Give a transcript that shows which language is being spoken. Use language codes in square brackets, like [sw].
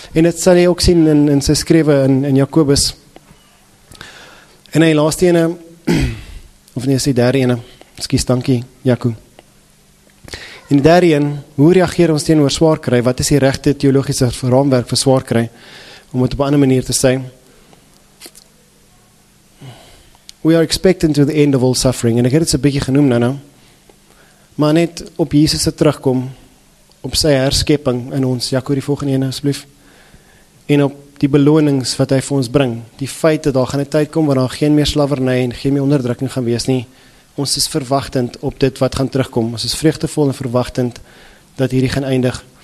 [af] En dit sal jy ook sien in sy skrywe in Jakobus. En hy laaste ene, of nie, is die derde ene, skies, dankie, Jakob. En daarin, hoe reageer ons teenoor swaar kry? Wat is die regte teologiese raamwerk vir swaar kry? Om het op 'n ander manier te sê. [en] We are expecting to the end of all suffering. [af] En ek het dit so 'n bietjie genoem nou. Maar net op Jesus se terugkom, op sy herskepping in ons, Jakob die volgende ene asseblief, en op die belonings wat hy vir ons bring, die feit dat daar gaan 'n tyd kom waar daar geen meer slavernij en geen meer onderdrukking gaan wees nie, ons is verwagtend op dit wat gaan terugkom, ons is vreugdevol en verwagtend dat hierdie gaan eindig.